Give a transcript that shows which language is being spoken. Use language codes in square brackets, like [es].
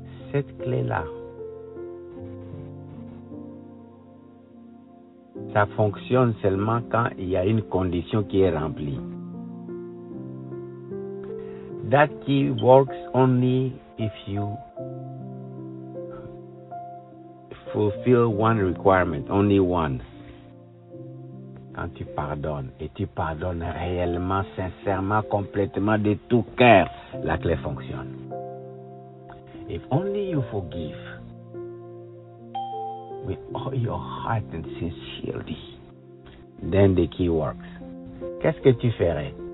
[fr] Cette clé-là, ça fonctionne seulement quand il y a une condition qui est remplie. [en] That key works only if you fulfill one requirement, only one. [fr] Quand tu pardonnes, et tu pardonnes réellement, sincèrement, complètement, de tout cœur, la clé fonctionne. [en] If only you forgive with all your heart and sincerity, then the key works. [fr] Qu'est-ce que tu ferais?